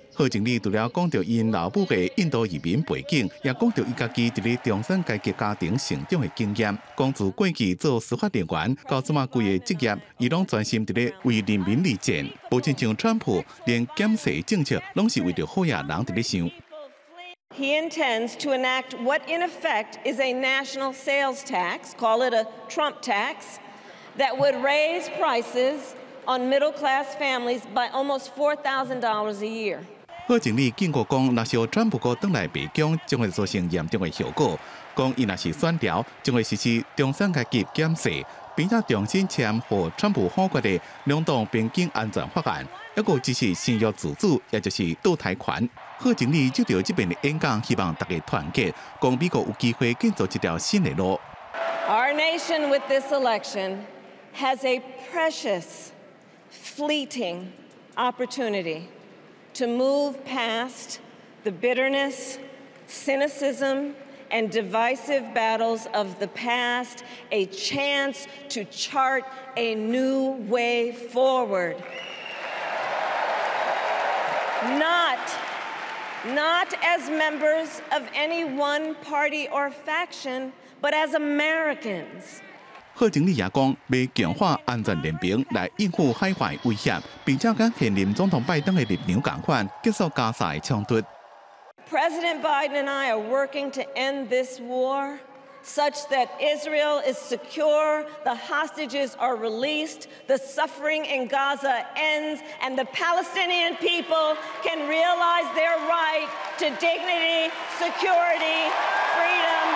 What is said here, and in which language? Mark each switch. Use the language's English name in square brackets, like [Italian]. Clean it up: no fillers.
[Min Nan Chinese] 贺锦丽除了讲到因老母的印度移民背景，也讲到伊家己伫咧中产阶级家庭成长的经验。讲自过去做司法人员，到即马规个职业，伊拢专心伫咧为人民立战，无亲像川普，连减税政策拢是为着好野人伫咧想。 [English] He intends to enact what in effect is a national sales tax, call it a Trump tax, that would raise prices on middle-class families by almost $4,000 a year. [Min Nan Chinese] 贺锦丽警告讲，若是川普哥倒来白宫，将会造成严重的后果。讲伊若是选掉，将会实施中产阶级减税，并且重新签和川普合作的两党边境安全法案，还有支持生育自主，也就是堕胎权。贺锦丽就着这边的演讲，希望大家团结，讲美国有机会建造一条新的路。 [English] Our nation with this election has a precious, fleeting opportunity. To move past the bitterness, cynicism, and divisive battles of the past, a chance to chart a new way forward. Not as members of any one party or faction, but as Americans. [Min Nan Chinese] 贺锦丽也讲，要强化安全联兵来应付海外威胁，并且跟现任总统拜登的立场同款，结束加沙的冲突。 [English] President Biden and I are working to end this war, such that Israel is secure, the hostages are released, the suffering in Gaza ends, and the Palestinian people can realize their right to dignity, security, freedom.